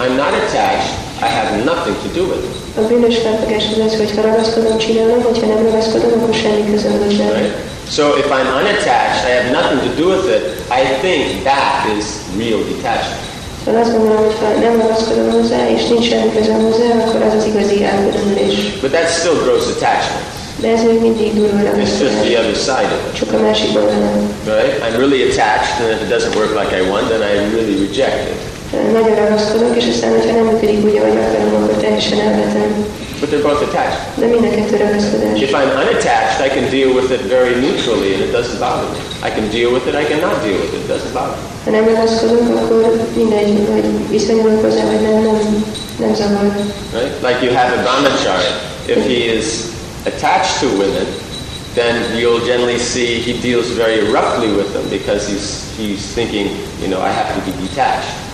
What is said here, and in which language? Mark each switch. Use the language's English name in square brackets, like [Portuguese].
[English] I'm not attached, I have nothing to do with it. [Hungarian] A bűnös felfogásod az, hogy ha ragaszkodom, csinálom, hogyha nem ragaszkodom, akkor semmi közöm hozzá. [English] So if I'm unattached, I have nothing to do with it, I think that is real detachment. [Hungarian] Ha azt gondolom, hogyha nem ragaszkodom hozzá, és nincs semmi közöm hozzá, akkor az az igazi elkülönülés. [English] But that's still gross attachment. [Hungarian] De ez még mindig durva ragaszkodás. [English] It's just the other side of it. [Hungarian] Csak a másik oldalán. [English] Right? I'm really attached, and if it doesn't work like I want, then I really reject it. [Hungarian] nagyon ragaszkodok, és aztán, hogyha nem működik úgy, ahogy akarom, akkor teljesen elvetem. [English] But they're both attached. [Hungarian] De mind a kettő ragaszkodás. [English] If I'm unattached, I can deal with it very neutrally, and it doesn't bother me. I can deal with it, I cannot deal with it, it doesn't bother me. [Hungarian] Ha nem ragaszkodok, akkor mindegy, hogy viszonyulok hozzá, vagy nem zavar. [English] Right? Like you have a brahmacharya. If he is attached to women, then you'll generally see he deals very roughly with them because he's thinking, you know, I have to be detached.